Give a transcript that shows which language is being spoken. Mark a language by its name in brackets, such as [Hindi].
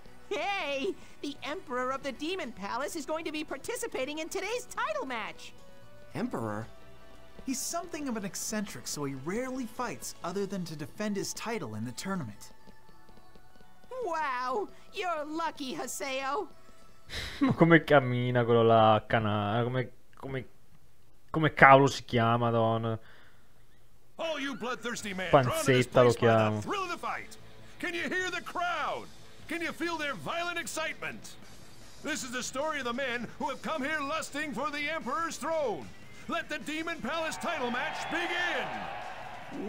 [English] Hey! The Emperor of the Demon Palace is going to be participating in today's title match! Emperor? He's something of an eccentric, so he rarely fights other than to defend his title in the tournament. Wow! You're lucky, Haseo! [Italian] Ma come cammina quello là, canale? Come cavolo si chiama, donna? [English] All you bloodthirsty men, drawn to this place by the thrill of the fight. Can you hear the crowd? Can you feel their violent excitement? This is the story of the men who have come here lusting for the Emperor's throne. Let the Demon Palace title match begin!